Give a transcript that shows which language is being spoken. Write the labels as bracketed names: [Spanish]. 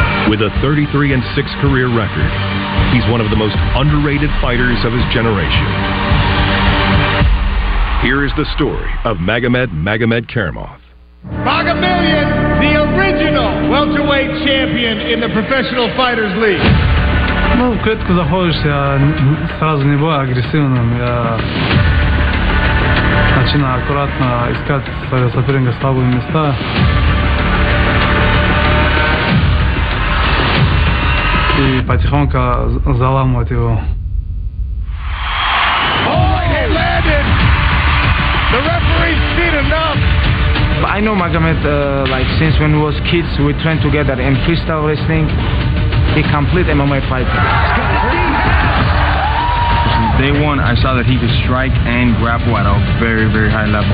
[English] With a 33-6 career record, he's one of the most underrated fighters of his generation. Here is the story of Magomed Karimov. Magomillion, the original welterweight champion in the Professional Fighters League. [Russian] Ну, клетку заходишь, сразу не бой агрессивным. Я начинаю аккуратно искать своего соперника слабые места. И потихоньку заламывать его. [English] I know Magomed like since when we was kids, we trained together in freestyle wrestling. He complete MMA fighter. Day one, I saw that he could strike and grapple at a very, very high level.